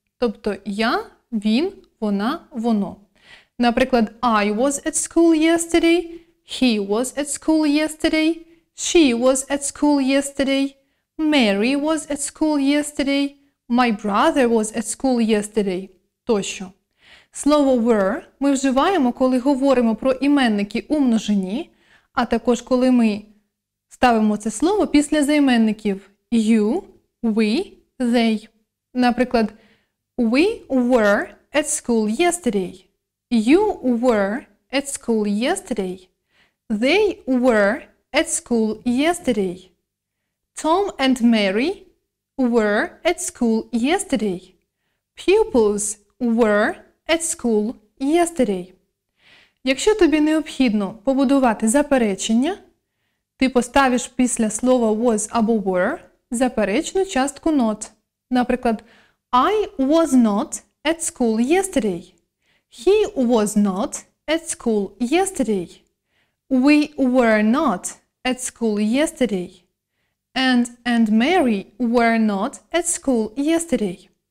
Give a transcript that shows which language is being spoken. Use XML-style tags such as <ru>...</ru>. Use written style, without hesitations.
<uk>Тобто «я», «він», «вона», «воно». Наприклад,</uk> <en>«I was at school yesterday», «He was at school yesterday», «She was at school yesterday», «Mary was at school yesterday», «My brother was at school yesterday»</en> <uk>тощо. Слово «were» ми вживаємо, коли говоримо про іменники у множині, а також коли ми ставимо це слово після займенників «you», «we», «they». Наприклад,</uk> <en>«we were at school yesterday», «you were at school yesterday», «they were at school yesterday», «Tom and Mary were at school yesterday», «pupils were at school yesterday».</en> <uk>Якщо тобі необхідно побудувати заперечення, ти поставиш після слова «was» або «were» заперечну частку «not». Наприклад,</uk> <en>«I was not at school yesterday», «He was not at school yesterday», «We were not at school yesterday», «And and Mary were not at school yesterday».</en>